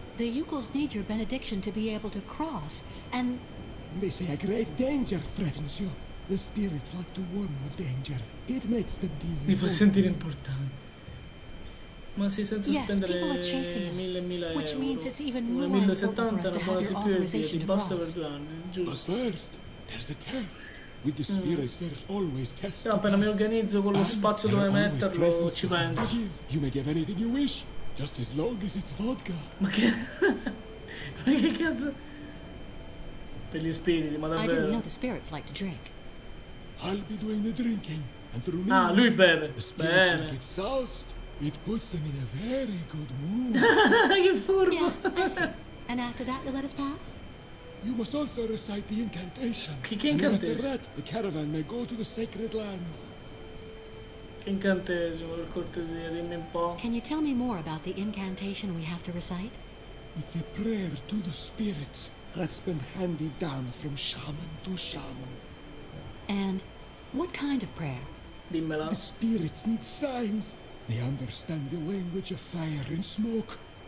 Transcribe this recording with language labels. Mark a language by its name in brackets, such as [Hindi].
[English] The Yukles need your benediction to be able to cross, and... They say a great danger threatens you. The spirits like to warn of danger. It makes them deal with you. [Italian] Mi fa sentire importante. Ma sì, senza yes, spendere 1000 euro, 1070 non posso più dirti, basta per 2 anni, giusto. [English] But first, there's a test. With the spirits, there's always tests. [Italian] No, appena mi organizzo con lo spazio dove metterlo, ci penso. [English] You may give anything you wish, just as long as it's vodka. [Italian] Ma che... ma che cazzo... Per gli spiriti, ma davvero. [English] I didn't know the spirits like to drink. I'll be doing the drinking, and through me... [Italian] Ah, lui beve. [English] The spirits [Italian] bene. [English] Get soused. It puts them in a very good mood. [Italian] Che furbo! [English] Yeah, and after that, you let us pass? You must also recite the incantation. [Italian] Che incantesimo? [English] The rat, the caravan may go to the sacred lands. [Italian] Che incantesimo, per cortesia, dimmi un po'. [English] Can you tell me more about the incantation we have to recite? It's a prayer to the spirits that's been handed down from shaman to shaman. And what kind of prayer? [Italian] Dimmela. [English] The spirits need signs. They understand the language of fire and smoke.